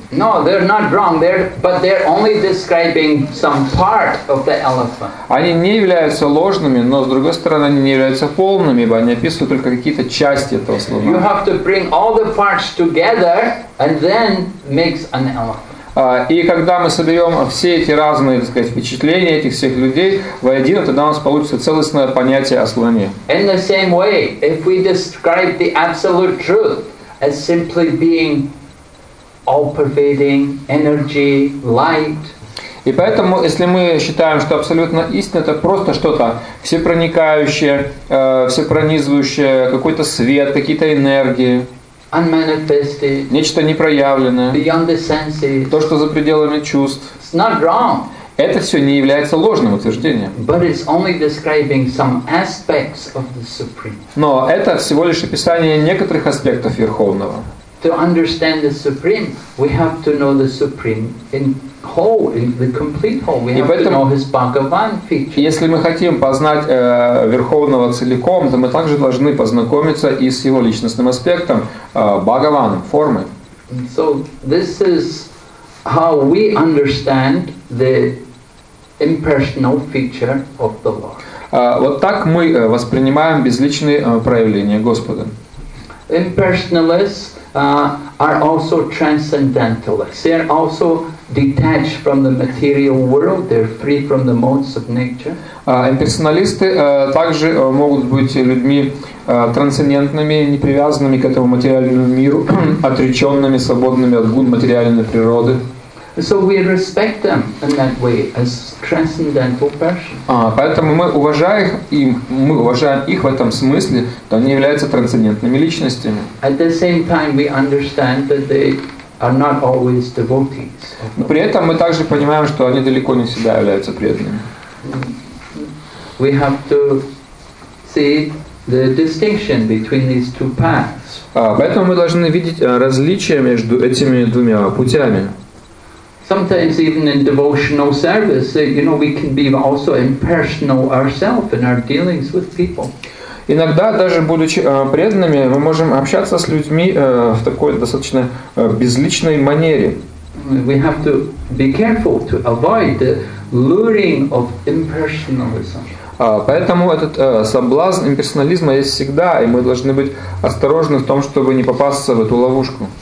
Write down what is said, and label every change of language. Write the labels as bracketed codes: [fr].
[en] No, they're not wrong. They're only describing some part of the elephant. [ru] Они не являются ложными, но с другой стороны, они не являются полными, ибо они описывают только какие-то части этого слона. [en] You have to bring all the parts together and then makes an elephant. [ru] И когда мы соберем все эти разные, так сказать, впечатления этих всех людей воедино, тогда у нас получится целостное понятие о слоне. [en] In the same way, if we describe the absolute truth as simply being all-pervading energy, light. [ru] И поэтому, если мы считаем, что абсолютно истина – это просто что-то всепроникающее, всепронизывающее, какой-то свет, какие-то энергии. [en] Unmanifested, [ru] нечто непроявленное, [en] beyond the senses, [ru] то, что за пределами чувств. [en] It's not wrong. [ru] Это все не является ложным утверждением. [en] But it's only describing some aspects of the Supreme. [ru] Но это всего лишь описание некоторых аспектов Верховного. [en] To understand the Supreme, we have to know the Supreme in whole, in the complete whole. We have to know his Bhagavan features. [ru] Если мы хотим познать Верховного целиком, то мы также должны познакомиться и с его личностным аспектом, Бхагаваном, формой. [en] So this is how we understand the impersonal feature of the Lord. [ru] Вот так мы воспринимаем безличные проявления Господа. [en] Impersonalists are also transcendentalists. They are also detached from the material world. They are free from the modes of nature. [ru] Имперсоналисты также могут быть людьми трансцендентными, не привязанными к этому материальному миру, отреченными, свободными от гун материальной природы. [en] So we respect them in that way as transcendental persons. [ru] Поэтому мы уважаем их в этом смысле, то они являются трансцендентными личностями. [en] At the same time, we understand that they are not always devotees. [ru] Но при этом мы также понимаем, что они далеко не всегда являются преданными. [en] We have to see the distinction between these two paths. [ru] Поэтому мы должны видеть различия между этими двумя путями. [en] Sometimes even in devotional service, you know, we can be also impersonal ourselves in our dealings with people. [ru] Иногда даже будучи преданными, мы можем общаться с людьми в такой достаточно безличной манере. [en] We have to be careful to avoid the luring of impersonalism. [ru] Поэтому этот соблазн имперсонализма есть всегда, и мы должны быть осторожны в том, чтобы не попасться в эту ловушку.